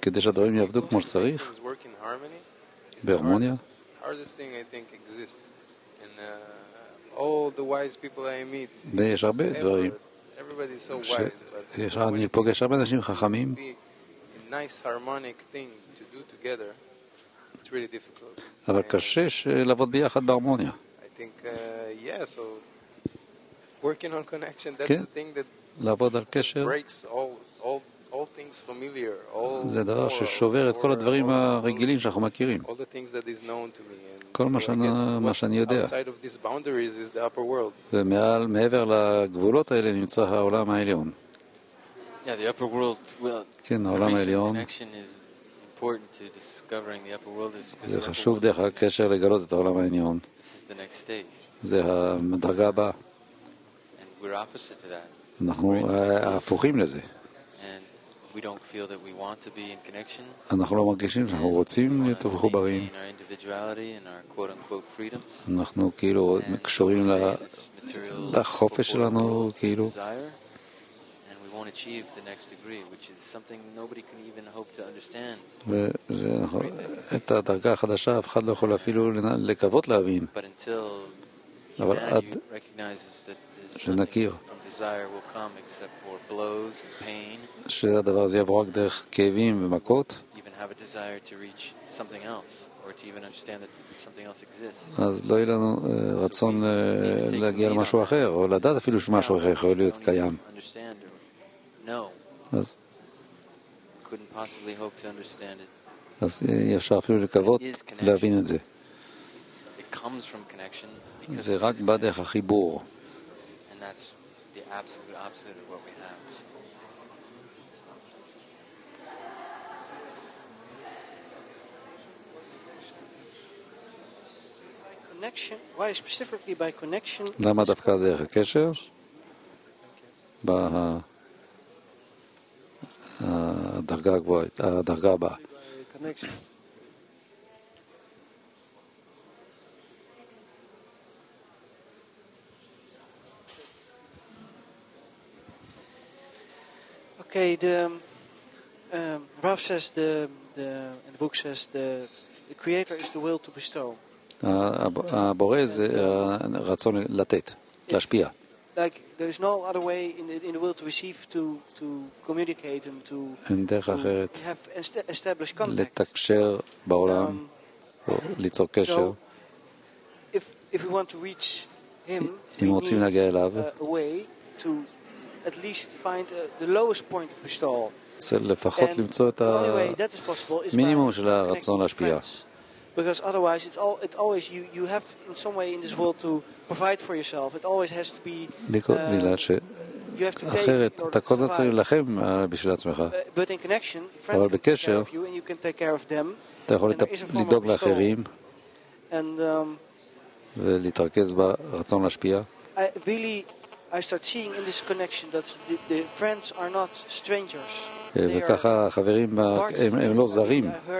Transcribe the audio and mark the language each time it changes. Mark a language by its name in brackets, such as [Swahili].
[Hebrew] כדי שהדברים יעבדו כמו שצריך בהרמוניה [English] hardest thing I think exists and all the wise people I meet [Hebrew] יש הרבה דברים [English] everybody is so wise but [Hebrew] יש אני פוגש הרבה אנשים חכמים [English] nice harmonic thing to do together it's really difficult [Hebrew] אבל קשה לעבוד ביחד בהרמוניה [English] I think yeah so working on connection that's the thing that [Hebrew] לעבוד על קשר [English] breaks all things familiar all [Hebrew] זה דבר ששובר את כל הדברים הרגילים שאנחנו מכירים [English] all the things that is known to me [Hebrew] כל מה שאני יודע [English] outside of these boundaries is the upper world [Hebrew] ומעל מעבר לגבולות האלה נמצא העולם העליון [English] yeah the upper world well [Hebrew] כן העולם העליון [English] connection is important to discovering the upper world is [Hebrew] זה חשוב דרך הקשר לגלות את העולם העליון [English] the next stage [Hebrew] זה המדרגה הבאה [English] and we're opposite to that [Hebrew] אנחנו הפוכים לזה [English] we don't feel that we want to be in connection [Hebrew] אנחנו לא מרגישים שאנחנו רוצים להיות מחוברים [English] in our individuality and our quote unquote freedoms [Hebrew] אנחנו כאילו מקשורים לחופש שלנו כאילו [English] and we won't achieve the next degree which is something nobody can even hope to understand [Hebrew] את הדרגה החדשה אף אחד לא יכול אפילו לקוות להבין [English] but until recognizes that there's desire will come except for blows and pain. [Hebrew] שהדבר הזה יבוא רק דרך כאבים ומכות. [English] Even have a desire to reach something else or to even understand that something else exists. [Hebrew] אז לא יהיה לנו רצון להגיע למשהו אחר או לדעת אפילו שמשהו אחר יכול להיות קיים. [English] No. [Hebrew] אז [English] couldn't possibly hope to understand it. [Hebrew] אז אפשר אפילו לקוות להבין את זה. [English] It comes from connection. [Hebrew] זה רק בא דרך החיבור. [English] And that's the absolute opposite of what we have. Connection, why specifically by connection? [Hebrew] למה דווקא דרך הקשר? הדרגה הגבוהה, הדרגה הבאה. [English] Okay, the Rav says the in the book says the creator is the will to bestow. [Hebrew] הבורא זה רצון לתת, להשפיע. [English] Like there is no other way in the will to receive to communicate and to [Hebrew] דרך אחרת [English] establish contact. [Hebrew] לתקשר בעולם, ליצור קשר. [English] If we want to reach him, [Hebrew] אם רוצים להגיע אליו, [English] a way to at least find the lowest point of bestowal. [Hebrew] זה לפחות למצוא את המינימום של הרצון להשפיע. [English] Because otherwise it always you have in some way in this world to provide for yourself. It always has to be you have to take [Hebrew] אחרת אתה כל הזמן צריך לכם בשביל עצמך. [English] But in connection, friends can take care of you and you can take care of them. [Hebrew] אתה יכול לדאוג לאחרים. [English] And [Hebrew] ולהתרכז ברצון להשפיע. [English] I start seeing in this connection that the friends are not strangers. [Hebrew] וככה חברים הם לא זרים.